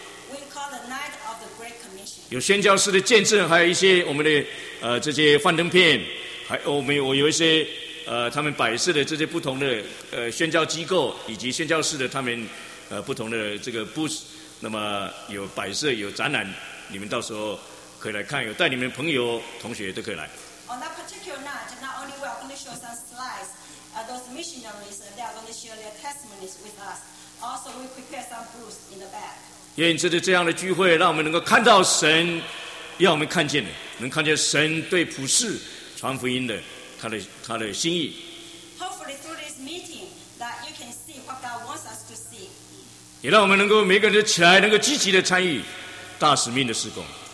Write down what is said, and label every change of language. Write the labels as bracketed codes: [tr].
[en] We call the night of the Great Commission. [zh] 有宣教士的见证，还有一些我们的这些幻灯片，还有我有一些他们摆设的这些不同的宣教机构以及宣教士的他们不同的这个 booth， 那么有摆设有展览，你们到时候可以来看，有带你们朋友同学都可以来。 [en] On that particular night, not only we are going to show some slides, those missionaries, they are going to share their testimonies with us. Also, we prepare some booths in the back. [zh] 愿这次这样的聚会让我们能够看到神要我们看见的，能看见神对普世传福音的他的心意。 [en] Hopefully, through this meeting, that you can see what God wants us to see. [zh] 也让我们能够每个人起来，能够积极的参与大使命的事工。